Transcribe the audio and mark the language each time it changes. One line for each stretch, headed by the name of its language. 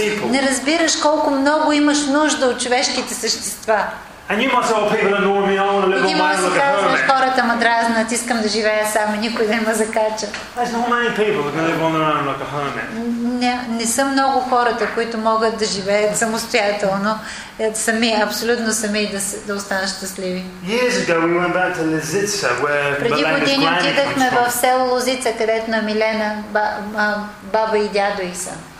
Bulgarian: Не разбираш колко много имаш нужда от човешките същества.
English: And you must say, people annoy me, I want a little man like a hermit.
Bulgarian: И ти казваш, хората ме дразнат, искам да живея сам, никой да не ме закача.
English: There's not many people that can live on their own like a hermit.
Bulgarian: Не са много хората, които могат да живеят самостоятелно, сами, абсолютно сами, да останат щастливи.
English: Years ago we went back to Lizica, where
Bulgarian: преди години отидахме в село Лозица, където на Милена, баба и дядо и са.